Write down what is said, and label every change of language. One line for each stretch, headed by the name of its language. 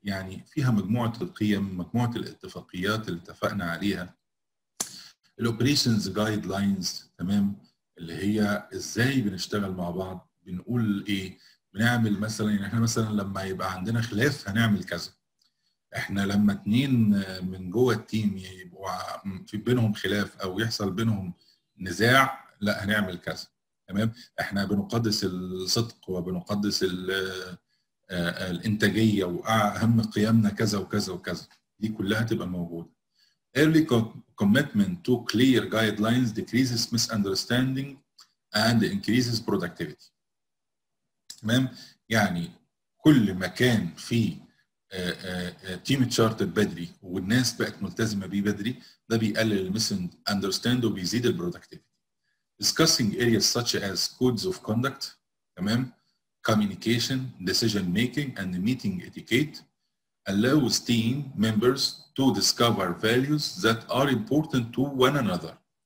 Arabic: يعني فيها مجموعة القيم، مجموعة الاتفاقيات اللي اتفقنا عليها، الoperations guidelines، تمام، اللي هي ازاي بنشتغل مع بعض، بنقول ايه، بنعمل مثلا، يعني احنا مثلا لما يبقى عندنا خلاف هنعمل كذا، احنا لما اتنين من جوه التيم يبقوا في بينهم خلاف او يحصل بينهم نزاع، لا هنعمل كذا. تمام، احنا بنقدس الصدق وبنقدس الانتاجية واهم قيمنا كذا وكذا وكذا، دي كلها تبقى موجودة.
English: Early commitment to clear guidelines decreases misunderstanding and increases productivity.
Arabic: تمام، يعني كل ما كان في تيم تشارتر بدري والناس بقت ملتزمة بيه بدري، ده بيقلل misunderstanding وبيزيد البرودكتيفيتي.
English: Discussing areas such as codes of conduct،
Arabic: تمام،
English: communication, decision making, and meeting etiquette allows team members to discover values that are important to one another.